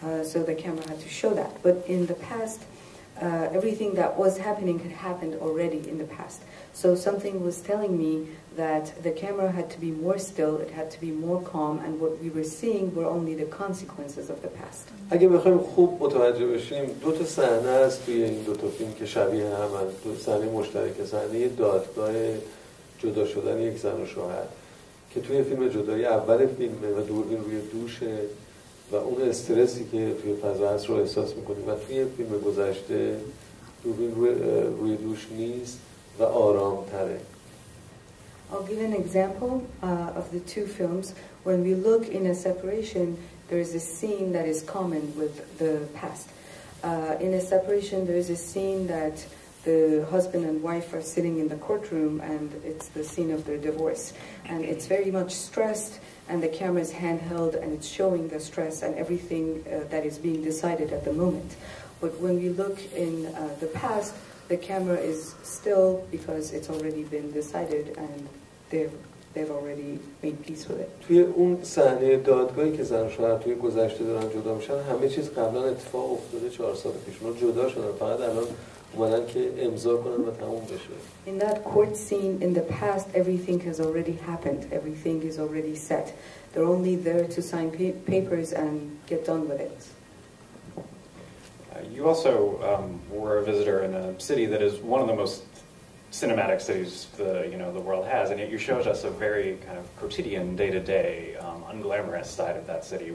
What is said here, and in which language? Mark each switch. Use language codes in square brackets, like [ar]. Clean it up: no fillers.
[en] So the camera had to show that. But in the past, everything that was happening had happened already in the past. So something was telling me that the camera had to be more still, it had to be more calm, and what we were seeing were only the consequences of the past. [fa] اگه بخوایم خوب متوجه بشیم، دو تا صحنه است توی این دو تا فیلم که شبیه هم هست. دو صحنه مشترک، صحنه دادگاه جدا شدن یک زن و شوهر که توی فیلم جدایی اول فیلمه و دوربین روی دوشه و اون استرسی که توی فضا هست رو احساس میکنیم و توی فیلم گذشته دوربین روی دوش نیست و آرام تره. [en] I'll give an example of the two films. When we look in A Separation, there is a scene that is common with the past. In A Separation, there is a scene that the husband and wife are sitting in the courtroom and it's the scene of their divorce. And it's very much stressed and the camera is handheld and it's showing the stress and everything that is being decided at the moment. But when we look in the past, the camera is still because it's already been decided and they've already made peace with it. [fa] توی اون صحنه دادگاهی که زن و شوهر توی گذشته دارن جدا میشن، همه چیز قبلا اتفاق افتاده 4 سال پیش، اونا جدا شدن، فقط الان اومدن که امضا کنن و تموم بشه. [en] In that court scene in the past, everything has already happened. Everything is already set. They're only there to sign papers and get done with it. You also were a visitor in a city that is one of the most cinematic cities the world has, and yet you showed us a very kind of quotidian, day-to-day, unglamorous side of that city.